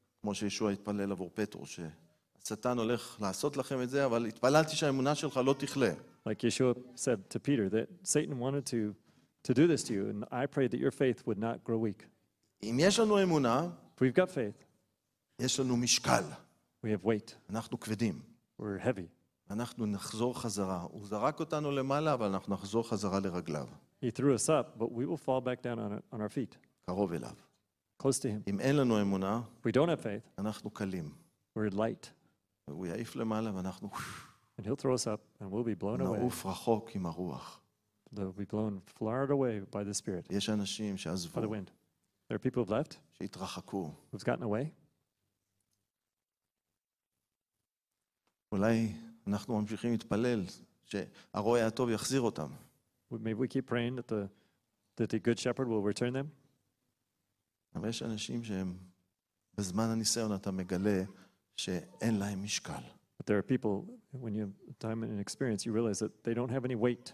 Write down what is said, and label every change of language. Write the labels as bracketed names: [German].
[Hebrew] כמו שישוע התפלל עבור פטרוס, שהשטן הולך לעשות לכם את זה, אבל התפללתי שהאמונה שלך לא תכלה. [English] Like Yeshua said to Peter, that Satan wanted to do this to you, and I prayed that your faith would not grow weak. [Hebrew] אם יש לנו אמונה, [English] if we've got faith, [Hebrew] יש לנו משקל. [English] We have weight. [Hebrew] אנחנו כבדים. [English] We're heavy. [Hebrew] אנחנו נחזור חזרה. הוא זרק אותנו למעלה, אבל אנחנו נחזור חזרה לרגליו. [English] He threw us up, but we will fall back down on our feet. [Hebrew] קרוב אליו. [English] Close to him. [Hebrew] אם אין לנו אמונה, [English] we don't have faith, [Hebrew] אנחנו קלים. [English] We're light. [Hebrew] והוא יעיף למעלה ואנחנו... [English] And he'll throw us up and we'll be blown [Hebrew] נעוף נעוף רחוק עם הרוח. [English] They'll be blown far away by the spirit. [Hebrew] יש אנשים שעזבו. [English] By the wind. There are people who've left. [Hebrew] שהתרחקו. [English] Who've gotten away. [Hebrew] אולי אנחנו ממשיכים להתפלל שהרועה הטוב יחזיר אותם. [English] Maybe we keep praying that the good shepherd will return them. [Hebrew] אבל יש אנשים שהם בזמן הניסיון אתה מגלה שאין להם משקל. [English] But there are people when you time and experience you realize that they don't have any weight.